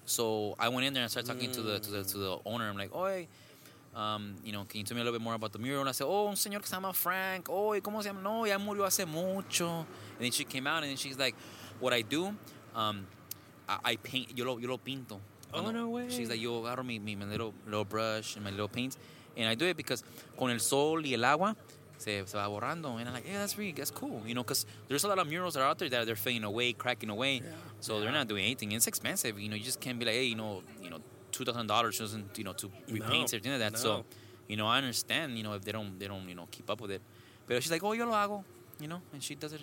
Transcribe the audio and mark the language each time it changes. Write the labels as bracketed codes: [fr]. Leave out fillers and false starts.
[en] So I went in there and started talking to the owner. I'm like, oi, you know, can you tell me a little bit more about the mural? And I said, oh, [es] un señor que se llama Frank. Oi, como se llama? No, ya murió hace mucho. [en] And then she came out and then she's like, what I do, I paint, [es] yo lo pinto. [en] Oh, no way. She's like, [es] yo agarro mi [en] little brush and my little paint. And I do it because [es] con el sol y el agua, se va borrando. [en] And I'm like, yeah, that's cool, you know, because there's a lot of murals that are out there that they're fading away, cracking away, they're not doing anything. It's expensive, you know. You just can't be like, hey, you know $2,000 doesn't, you know, to repaint everything like that. So, you know, I understand, you know, if they don't you know, keep up with it. But she's like, oh, [es] yo lo hago, [en] you know, and she does it.